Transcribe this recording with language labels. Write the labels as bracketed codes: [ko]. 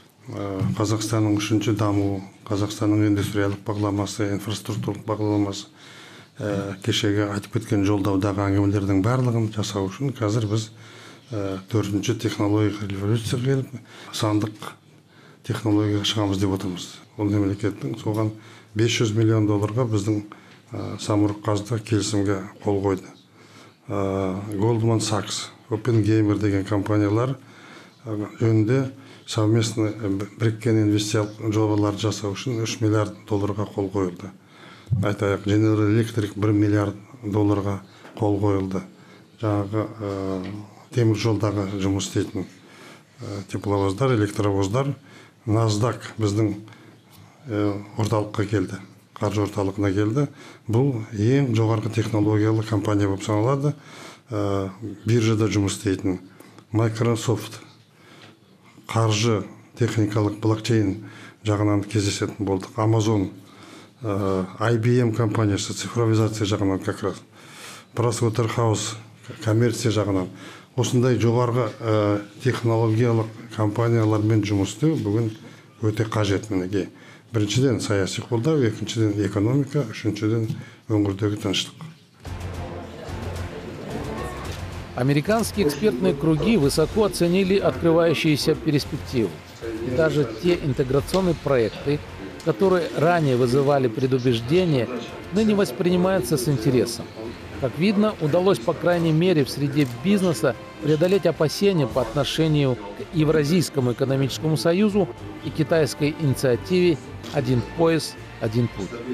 [kk] Казахстанның үшінші дамуы, Казахстанның индустриялық бағдарламасы, инфраструктуралық бағдарламасы, кешегі айтып кеткен жолдаудағы әңгімелердің барлығын жасау үшін қазір біз 4-ші технологиялық революция келіп, сандық технологияға шығамыз деп отырмыз. Ол мемлекеттің соған 500 миллион долларға біздің Самұрық-Қазына келісімге қол қойды. Goldman Sachs, OpenGamer деген компаниялар жөнінде совместно біріккен инвестициялық жобалар жасау үшін 3 миллиард долларға қол қойылды. Айтайық, General Electric 1 миллиард долларға қол қойылды. Жаңағы темір жолдағы жұмыс істейтін тепловоздар, электровоздар, NASDAQ біздің орталыққа келді, қаржы орталығына келді. Бұл ең жоғарғы технологиялы компания болып саналады, биржада жұмыс істейтін. Microsoft қаржы техникалық блокчейн жағынан кездесетін болдық. Amazon, IBM компаниясы цифровизация жағынан [ru] как раз. [kk] PricewaterhouseCoopers коммерция жағынан. Осындай жоғарғы технологиялық компаниялармен жұмыс істеу бүгін өте қажет мінеге. Біріншіден саяси қолдау, екіншіден экономика, үшіншіден өңірдегі тыныштық. [ru] Американские экспертные круги высоко оценили открывающиеся перспективы. И даже те интеграционные проекты, которые ранее вызывали предубеждения, ныне воспринимаются с интересом. Как видно, удалось, по крайней мере, в среде бизнеса преодолеть опасения по отношению к Евразийскому экономическому союзу и китайской инициативе «Один пояс, один путь».